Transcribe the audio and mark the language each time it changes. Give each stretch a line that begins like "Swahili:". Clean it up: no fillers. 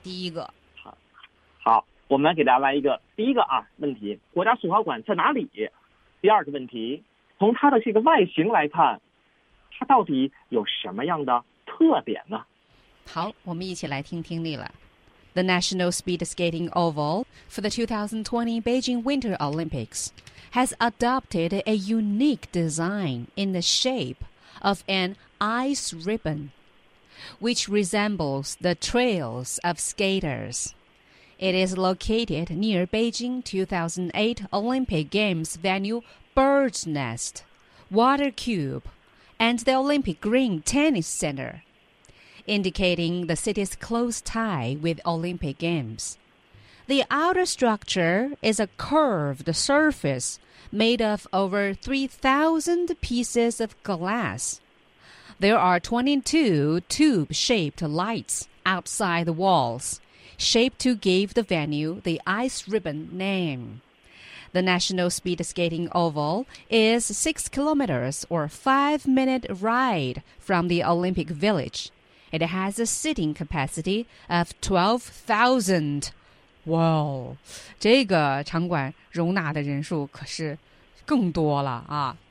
Chinese: 第一个，好，我们来给大家来一个第一个啊问题：国家速滑馆在哪里？第二个问题，从它的这个外形来看，它到底有什么样的特点呢？好，我们一起来听听力了。
English: The National Speed Skating Oval for the 2020 Beijing Winter Olympics has adopted a unique design in the shape of an ice ribbon, which resembles the trails of skaters. It is located near Beijing 2008 Olympic Games venue Bird's Nest, Water Cube, and the Olympic Green Tennis Center. Indicating the city's close tie with Olympic Games. The outer structure is a curved surface made of over 3,000 pieces of glass. There are 22 tube-shaped lights outside the walls, shaped to give the venue the ice ribbon name. The National Speed Skating Oval is 6 kilometers or 5-minute ride from the Olympic Village. It has a sitting capacity of 12,000.
Chinese: 哇，这个场馆容纳的人数可是更多了啊